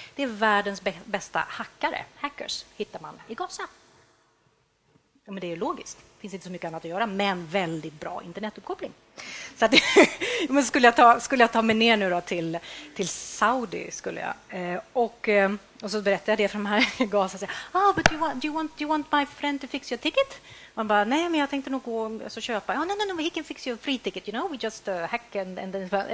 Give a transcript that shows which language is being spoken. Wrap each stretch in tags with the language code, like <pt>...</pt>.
<sv>Det är världens bästa hackers hittar man i Gaza. Ja, men det är logiskt. Det finns inte så mycket annat att göra, men väldigt bra internetuppkoppling. Så att, men skulle jag ta mig ner nu då till Saudi, skulle jag. Och så berättade jag det för de här i Gaza.</sv> <en>Ja, oh, but do you want my friend to fix your ticket?</en> <sv>Och han bara, nej, men jag tänkte nog gå och köpa.</sv> <en>Ja, no, he can fix your free ticket, you know, we just hack and then...</en>